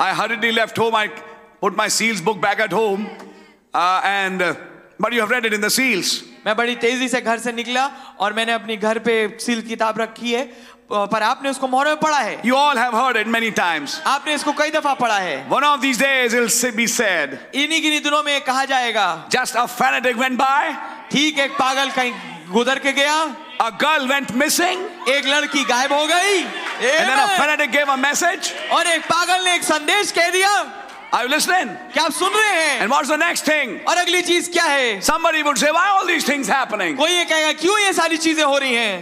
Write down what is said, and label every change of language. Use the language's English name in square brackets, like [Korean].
[English] I hurriedly left home. I put my seals book back at home, but you have read it in the seals. [Hindi] मैं बड़ी तेजी से घर से निकला और मैंने अपनी घर पे सील किताब रखी है. पर आपने उसको मोहर में पढ़ा है. [English] You all have heard it many times. [Hindi] आपने इसको कई दफा पढ़ा है. [English] One of these days it'll be said. [Hindi] इन्हीं किन्हीं दिनों में कहा जाएगा. [English] Just a fanatic went by. [Hindi] ठीक एक पागल कहीं गुजर के गया. [English] A girl went missing. [Hindi] एक लड़की गायब हो गई. [English] And then a fanatic gave a message. [Hindi] और एक पागल ने एक संदेश कह दिया. [English] Are you listening? [Hindi] क्या आप सुन रहे हैं? [English] And what's the next thing? [Hindi] और अगली चीज क्या है? [English] Somebody would say, why all these things happening? [Hindi] कोई ये कहेगा क्यों ये सारी चीजें हो रही हैं?